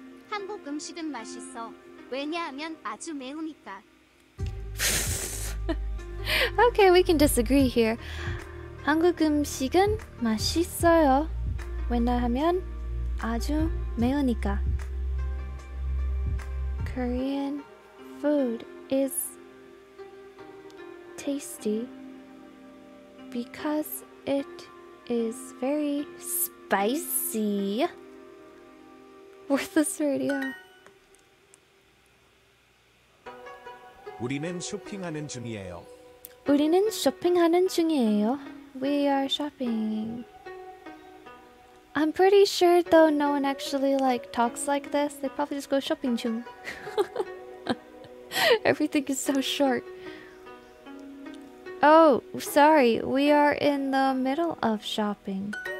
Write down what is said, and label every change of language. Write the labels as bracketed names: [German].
[Korean] 한국 음식은 맛있어. 왜냐하면 아주 매우니까. [English] Okay, we can disagree here. [Korean] 한국 음식은 맛있어요. 왜냐하면 아주 매우니까. [English] Korean food is tasty because it is very spicy. Worthless radio. [Korean] 우리는 쇼핑하는 중이에요. 우리는 쇼핑하는 중이에요. [English] We are shopping. I'm pretty sure though no one actually like talks like this. They probably just go shopping 중. Everything is so short. Oh, sorry. We are in the middle of shopping.